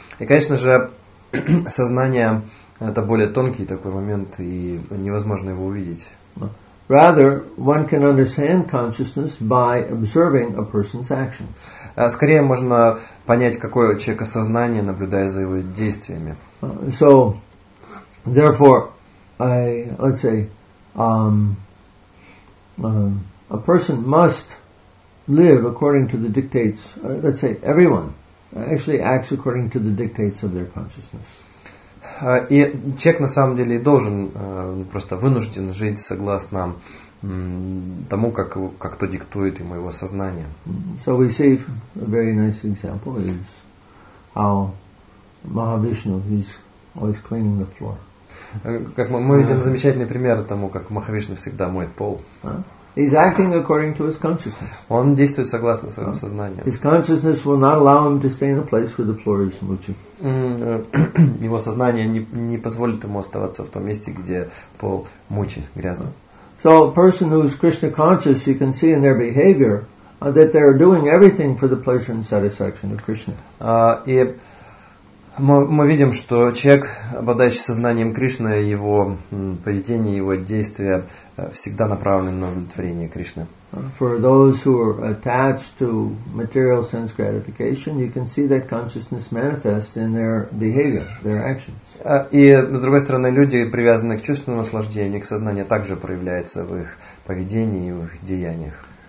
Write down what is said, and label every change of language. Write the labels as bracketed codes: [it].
[ru] И, конечно же, сознание это более тонкий такой момент и невозможно его увидеть. [en] Rather, one can understand consciousness by observing a person's actions. [ru] Скорее можно понять, какое у человека сознание, наблюдая за его действиями. [en] So, therefore, a person must live according to the dictates. Let's say everyone actually acts according to the dictates of their consciousness. [ru] И человек на самом деле должен просто вынужден жить согласно тому, как то диктует ему его сознание. [en] So we see a very nice example is how Mahavishnu is always cleaning the floor. [ru] Как мы видим замечательный пример тому, как Махавишна всегда моет пол. [en] He's acting according to his consciousness. [ru] Он действует согласно своему сознанию. [en] His consciousness will not allow him to stay in a place where the floor is smutsy. [ru] Его сознание не позволит ему оставаться в том месте, где пол мучи, грязно. [en] So a person who is Krishna conscious, you can see in their behavior that they are doing everything for the pleasure and satisfaction of Krishna. [ru] И мы видим, что человек, обладающий сознанием Кришны, его поведение, его действия всегда направлены на удовлетворение Кришны. [en] For those who are attached to material sense gratification, you can see that consciousness manifests in their behavior, their actions. [ru] И, с другой стороны, люди, привязанные к чувственному наслаждению, их сознание также проявляется в их поведении и в их деяниях.